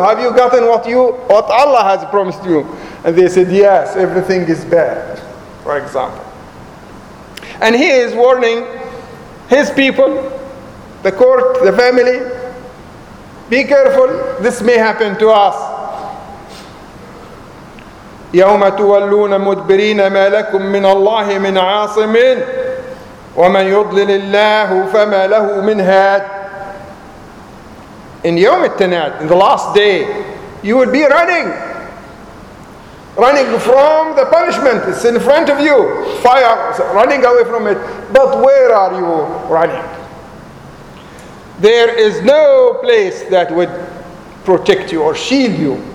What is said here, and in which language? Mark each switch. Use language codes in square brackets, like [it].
[en] Have you gotten what Allah has promised you? And they said, yes, everything is bad, for example. And he is warning his people, the court, the family, be careful, this may happen to us. [ar] يوم تولون مدبرين ما لكم من الله من عاصم ومن يضلل الله فما له من هاد. [en] In [ar] يوم التنعت, [en] in the last day, you would be running. Running from the punishment, it's in front of you. Fire, running away from it. But where are you running? There is no place that would protect you or shield you.